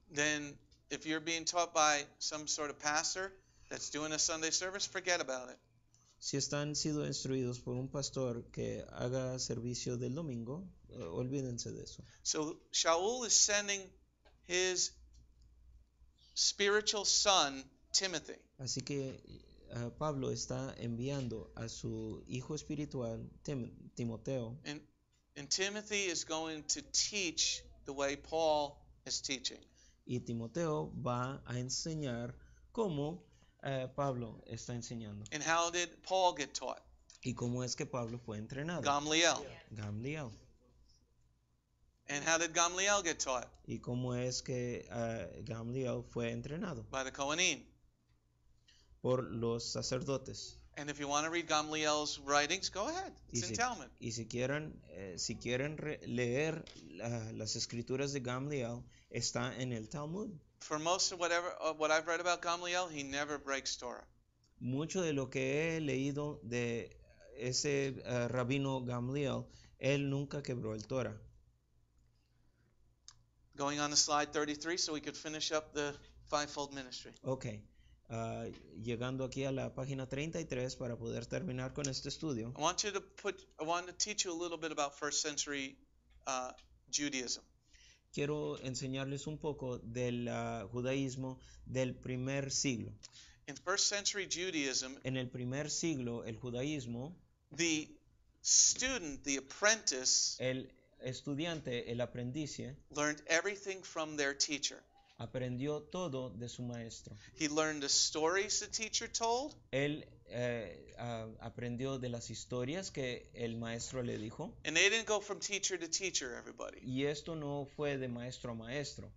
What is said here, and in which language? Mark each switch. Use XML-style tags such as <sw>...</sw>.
<en>Then if you're being taught by some sort of pastor that's doing a Sunday service, forget about it.</en> <es>Si están sido instruidos por un pastor que haga servicio del domingo, olvídense de eso.</es> <en>So Shaul is sending his spiritual son Timothy.</en> <es>Así que Pablo está enviando a su hijo espiritual Timoteo.</es> <en>And Timothy is going to teach the way Paul is teaching.</en> <es>Y Timoteo va a enseñar cómo Pablo está enseñando.</es> <en>And how did Paul get taught?</en> <es>¿Y cómo es que Pablo fue entrenado?</es> <en>Gamaliel.</en> <es>Gamaliel.</es> <en>And how did Gamaliel get taught?</en> <es>¿Y cómo es que Gamaliel fue entrenado?</es> <en>By the Kohanim.</en> <es>Por los sacerdotes.</es> <en>And if you want to read Gamaliel's writings, go ahead. It's in Talmud.</en> <es>Y si quieren, leer las escrituras de Gamaliel, está en el Talmud.</es> <en>For most of what I've read about Gamaliel, he never breaks Torah.</en> <es>Mucho de lo que he leído de ese rabino Gamaliel, él nunca quebró el Torah.</es> <en>Going on to slide 33 so we could finish up the fivefold ministry. Okay.</en> <es>Llegando aquí a la página 33 para poder terminar con este estudio.</es> <en>I want to teach you a little bit about first century Judaism.</en> <es>Quiero enseñarles un poco del judaísmo del primer siglo.</es> <en>In first century Judaism,</en> <es>en el primer siglo, el judaísmo,</es> <en>the student, the apprentice,</en> <es>el estudiante, el aprendiz,</es> <en>learned everything from their teacher.</en> <es>Aprendió todo de su maestro.</es> <en>He learned the stories the teacher told.</en> <es>Él aprendió de las historias que el maestro le dijo.</es> <en>And they didn't go from teacher to teacher, everybody.</en> <es>Y esto no fue de maestro a maestro.</es>